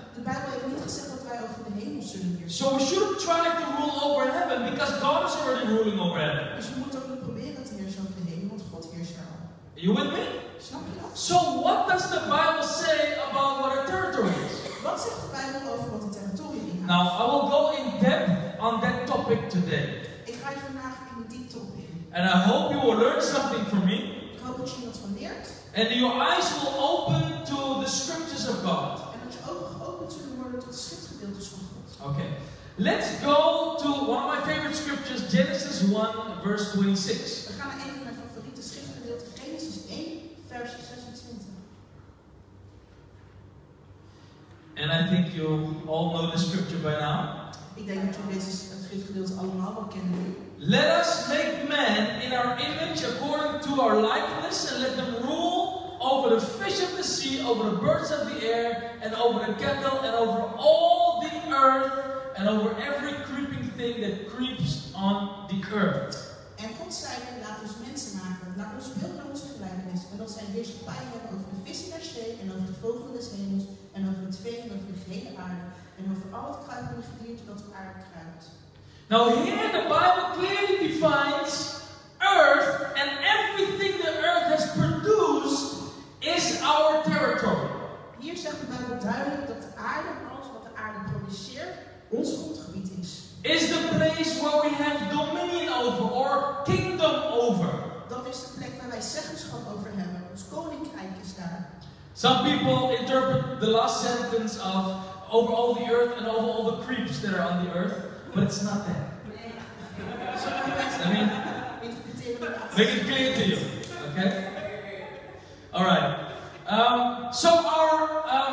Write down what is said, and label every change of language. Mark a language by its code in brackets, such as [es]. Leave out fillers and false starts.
[nl] De Bijbel heeft niet gezegd dat wij over de hemel zullen heersen. [en] So we shouldn't try to rule over heaven because God is already ruling over heaven. [nl] Dus we moeten ook niet proberen te heersen over de hemel, want God heerst er al. [en] Are you with me? [nl] Snap je dat? [en] So what does the Bible say about what a territory is? [nl] Wat zegt de Bijbel over wat een territorium is? [en] Now I will go in depth on that topic today. [nl] Ik ga je vandaag in diepte op in. [en] And I hope you will learn something from me. [nl] Ik hoop dat je wat van leert. [en] And your eyes will open to the scriptures of God. [nl] En dat je ogen open zullen worden tot de schriftgedeeltes van God. [en] Okay. Let's go to one of my favorite scriptures, Genesis 1, verse 26. [nl] We gaan naar een van mijn favoriete schriftgedeelten, Genesis 1, vers 26. [en] And I think you all know the scripture by now. [nl] Ik denk dat jullie deze schriftgedeelte allemaal wel kennen. [en] Let us make man in our image according to our likeness and let them rule over the fish of the sea, over the birds of the air, and over the cattle, and over all the earth, and over every creeping thing that creeps on the earth. [nl] En God zei, laat ons mensen maken, laat ons beeld naar onze gelijkenis, en dat zij heerschappij hebben over de vissen der zee, en over de vogel des hemels, en over het vee, en over de gehele aarde, en over al het kruipende gedierte dat op aarde kruipt. [en] Now here the Bible clearly defines earth and everything the earth has produced is our territory. [nl] Hier zegt de Bijbel duidelijk dat de aarde en alles wat de aarde produceert ons grondgebied is. [en] Is the place where we have dominion over or kingdom over. [nl] Dat is de plek waar wij zeggenschap over hebben. Ons koninkrijk is daar. [en] Some people interpret the last sentence of over all the earth and over all the creeps that are on the earth. But it's not that. Make it clear to you, okay? All right. So our